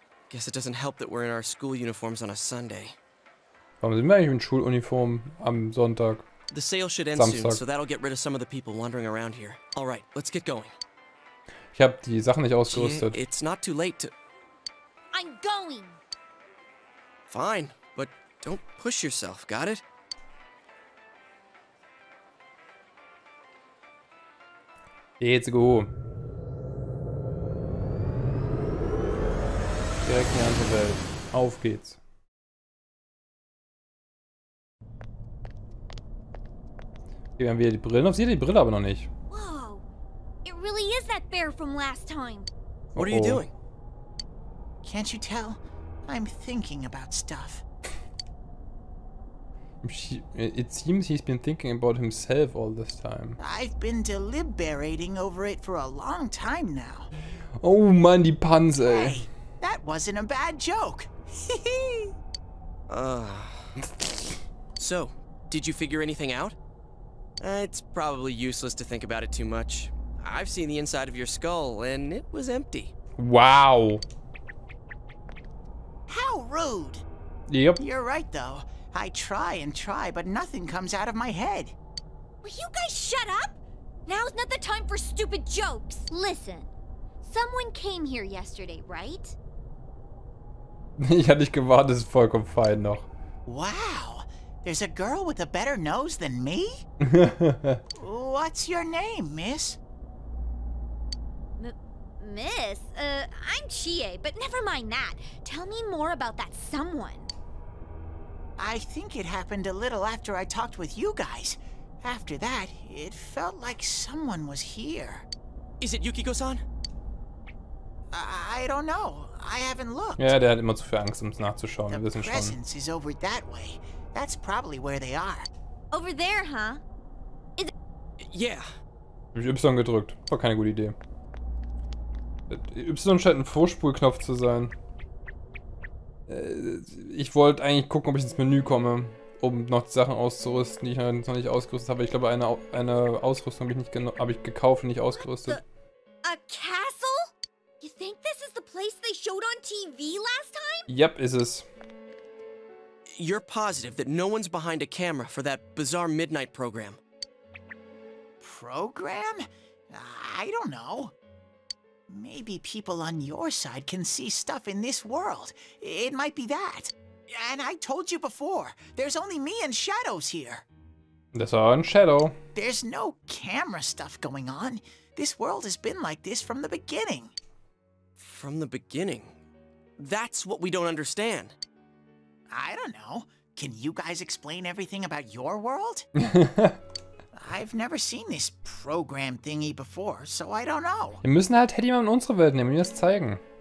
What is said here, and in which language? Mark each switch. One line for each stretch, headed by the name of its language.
English: Guess it doesn't help that we're in our school uniforms on a Sunday.
German: Warum sind wir eigentlich in Schuluniform am Sonntag?
English: The sale should end Samstag. Soon, so that'll get rid of some of the people wandering around here. All right, let's get going.
German: Ich hab die Sachen nicht ausgerüstet.
English: It's not too late to... I'm going! Fine, but don't push yourself, got it? Let's go.
German: Direkt in die andere Welt. Auf geht's. Okay, wir haben wieder die Brillen auf. Sie hat die Brille aber noch nicht.
English: Wow. It really is that bear from last time. What are you doing? Can't you tell? I'm thinking about stuff. It seems he's been thinking about himself all this time. I've been deliberating over it for a long time now.
German: Oh man, die Panze.
English: Hey, that wasn't a bad joke. So, did you figure anything out? It's probably useless to think about it too much. I've seen the inside of your skull, and it was empty. Wow. How rude. Yep. You're right, though. I try and try, but nothing comes out of my head. Will you guys shut up? Now's not the time for stupid jokes. Listen, someone came here yesterday, right?
German: Ich hatte nicht gewartet, das ist vollkommen fein noch.
English: Wow, there's a girl with a better nose than me? What's your name, miss? Miss? I'm Chie, but never mind that. Tell me more about that someone. I think it happened a little after I talked with you guys. After that, it felt like someone was here. Is it Yukiko-san? I don't know. I haven't looked.
German: Ja, der hat immer zu viel Angst, um es nachzuschauen.
English: The presence is over that way. That's probably where they are. Over there, huh? Is it... Yeah.
German: Ich habe Y gedrückt. War keine gute Idee. Y scheint ein Vorspulknopf zu sein. Ich wollte eigentlich gucken, ob ich ins Menü komme, um noch die Sachen auszurüsten, die ich noch nicht ausgerüstet habe. Ich glaube, eine Ausrüstung habe ich gekauft und nicht ausgerüstet.
English: A castle? You think this is the place they showed on TV last time?
German: Yep, ist es.
English: You're positive that no one's behind a camera for that bizarre midnight program? Program? I don't know. Maybe people on your side can see stuff in this world. It might be that. And I told you before, there's only me and shadows here. That's all in shadow. There's no camera stuff going on. This world has been like this from the beginning. From the beginning? That's what we don't understand. I don't know. Can you guys explain everything about your world? I've never seen this program thingy before, so I don't know.
German: Wir müssen halt Teddy mal in unsere Welt nehmen und ihm das zeigen.